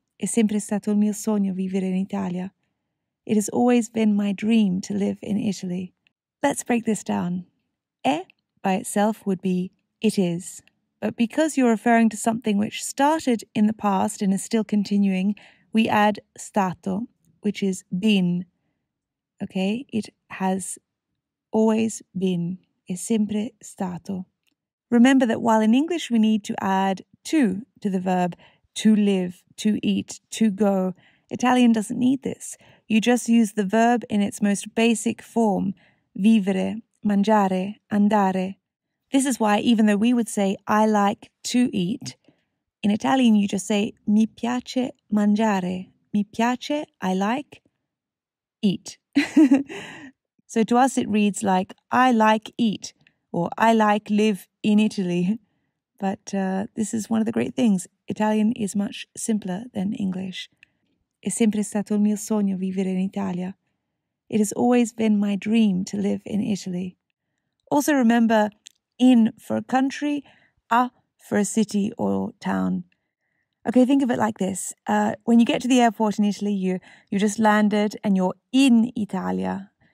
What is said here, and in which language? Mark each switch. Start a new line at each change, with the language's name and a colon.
Italian: È sempre stato il mio sogno vivere in Italia.
English: It has always been my dream to live in Italy. Let's break this down. È by itself would be it is. But because you're referring to something which started in the past and is still continuing, we add stato, which is been. Okay, it has always been.
Italian: È sempre stato.
English: Remember that while in English we need to add to the verb to live, to eat, to go, Italian doesn't need this. You just use the verb in its most basic form, vivere, mangiare, andare. This is why even though we would say I like to eat, in Italian you just say
Italian: mi piace mangiare,
English: mi piace, I like, eat. So to us it reads like I like eat. Or I like live in Italy. But this is one of the great things. Italian is much simpler than English.
Italian: È sempre stato il mio sogno vivere in Italia.
English: It has always been my dream to live in Italy. Also remember, in for a country, a for a city or town. Okay, think of it like this. When you get to the airport in Italy, you just landed and you're in Italia.